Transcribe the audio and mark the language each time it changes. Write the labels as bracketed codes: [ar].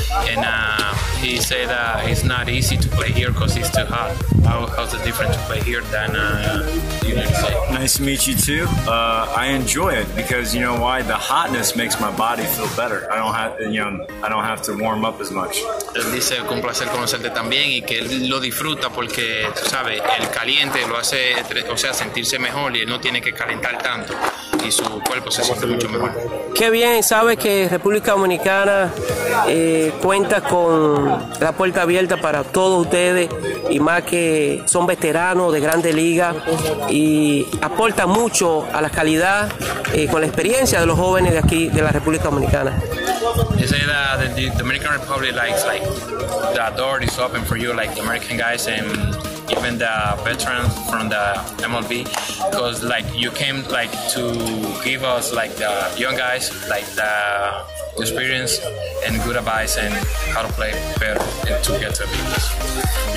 [en] And he said that it's not easy to play here because it's too hot. How's the difference to play here than the United States? Nice to meet you too. I enjoy it because you know why? The hotness makes my body feel better. I don't have to warm up as much. [es] Él dice que un placer conocerte también y que él lo disfruta porque, tú sabes, el caliente lo hace, o sea, sentirse mejor, y él no tiene que calentar tanto y su cuerpo se siente mucho mejor. Qué bien, sabes que República Dominicana cuenta con la puerta abierta para todos ustedes, y más que son veteranos de grandes ligas y aportan mucho a la calidad con la experiencia de los jóvenes de aquí, de la República Dominicana. [en] You say that the Dominican Republic likes, like, the door is open for you, like the American guys and even the veterans from the MLB, because like you came like to give us like the young guys like the experience and good advice and how to play better and to get to business.